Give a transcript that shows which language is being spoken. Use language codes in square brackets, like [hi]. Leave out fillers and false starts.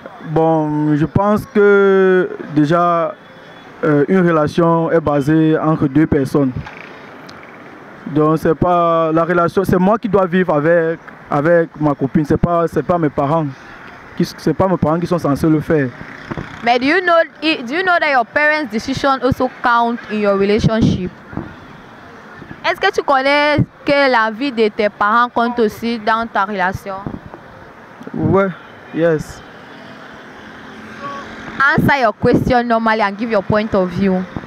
[fr] Bon, je pense que déjà une relation est basée entre deux personnes. Donc c'est pas la relation, c'est moi qui dois vivre avec ma copine. C'est pas mes parents qui sont censés le faire. [en] Mais do you know that your parents' decision also count in your relationship? [fr] Est-ce que tu connais que la vie de tes parents compte aussi dans ta relation? Ouais, yes. [en] Answer your question normally and give your point of view.